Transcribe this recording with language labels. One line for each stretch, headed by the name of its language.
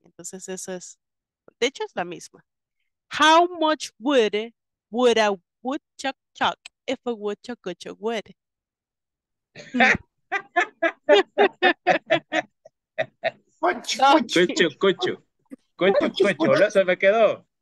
Spanish: Entonces eso es, de hecho es la misma.
English: How much wood would a woodchuck chuck if a woodchuck could chuck wood?
Spanish: Cocho, cocho, cocho, cocho, cocho, se me quedó.